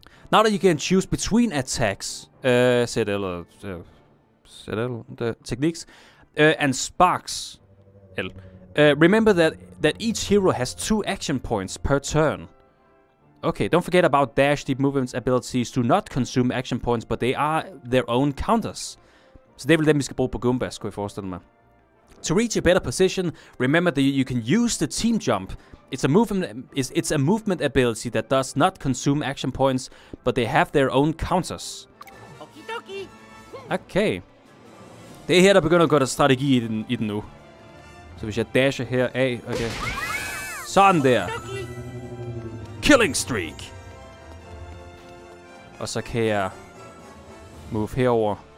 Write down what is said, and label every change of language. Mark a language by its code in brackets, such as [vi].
[en] Now that you can choose between attacks, and sparks, remember that each hero has 2 action points per turn. Okay, don't forget about dash. Deep movements abilities do not consume action points, but they are their own counters. [da] Så det er vel dem, vi skal bruge på Goombas, kunne jeg forestille mig. [en] To reach a better position, remember that you can use the team jump. It's a movement ability that does not consume action points, but they have their own counters. Okay. [da] Det er her, der begynder at gå der strategi i den nu. Så hvis jeg dasher her af, okay. Sådan der. [en] Killing streak. [da] Og så kan jeg move herover.